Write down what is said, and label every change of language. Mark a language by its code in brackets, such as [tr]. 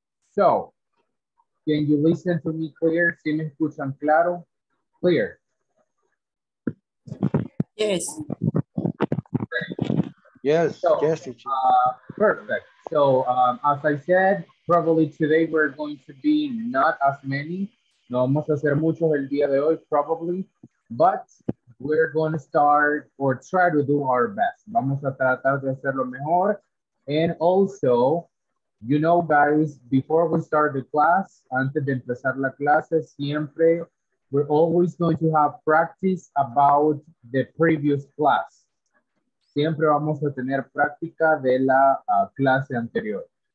[en] So, can you listen to me clear? [es] ¿Sí me escuchan claro? [en] Clear. Yes. Great. Yes, so, yes. Perfect. So, as I said, probably today we're going to be not as many. [es] No vamos a hacer muchos el día de hoy, probably. [en] But we're going to start or try to do our best. [es] Vamos a tratar de hacerlo mejor. [en] And also, you know, guys, before we start the class, [es] antes de empezar la clase, siempre, [en] we're always going to have practice about the previous class. [es] Siempre vamos a tener práctica de la clase anterior.